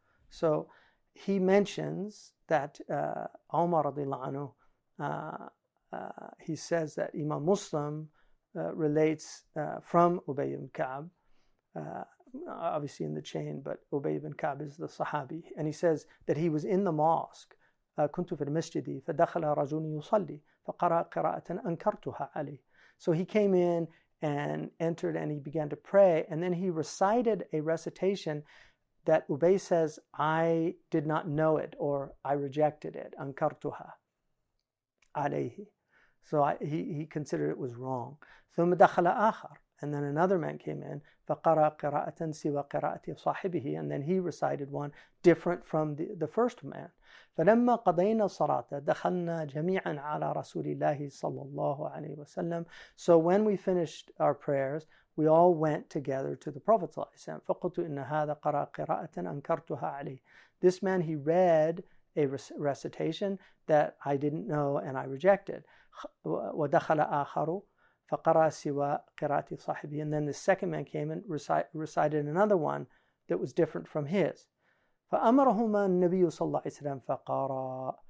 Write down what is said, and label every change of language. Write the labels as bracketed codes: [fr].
[en] So he mentions that Umar radiallahu anhu, he says that Imam Muslim relates from Ubay ibn Ka'b, obviously in the chain, but Ubay ibn Ka'b is the Sahabi, and he says that he was in the mosque. [ar] كنت في المسجد فدخل رجل يصلي فقرأ قراءة أنكرتها عليه. [en] So he came in and entered and he began to pray, and then he recited a recitation that Ubay says, I did not know it, or I rejected it. [ar] أنكرتها عليه. [en] So he considered it was wrong. [ar] ثم دخل آخر. [en] And then another man came in, [ar] فقرأ قراءة سوى قراءة صاحبه, [en] and then he recited one different from the first man. [ar] فلما قضينا الصلاة دخلنا جميعا على رسول الله صلى الله عليه وسلم. [en] So when we finished our prayers, we all went together to the Prophet صلى الله عليه وسلم. [ar] فقلت إن هذا قرأ قراءة أنكرتها عليه. [en] This man, he read a recitation that I didn't know and I rejected. [ar] ودخل آخر فَقَرَى سِوَى قِرَاتِ صَاحِبِهِ. [en] And then the second man came and recited another one that was different from his. [ar] فَأَمَرَهُمَا النَّبِيُّ صَلَّى اللَّهِ عَلَيْهِ وَسَلَّمَ فَقَرَى.